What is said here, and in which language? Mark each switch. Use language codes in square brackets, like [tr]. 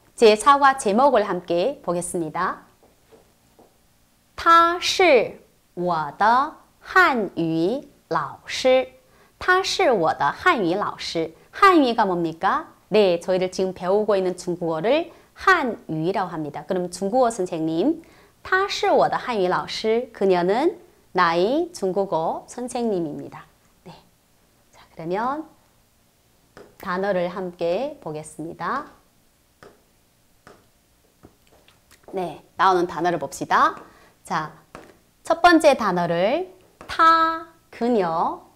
[ko] 제4과 제목을 함께 보겠습니다. [zh] 他是我的汉语老师. [ko] 汉语가 뭡니까? 네, 저희들 지금 배우고 있는 중국어를 한语라고 합니다. 그럼 중국어 선생님, [zh] 他是我的汉语老师. [ko] 그녀는 나의 중국어 선생님입니다. 그러면 단어를 함께 보겠습니다. 네, 나오는 단어를 봅시다. 자, 첫 번째 단어를 타, 그녀.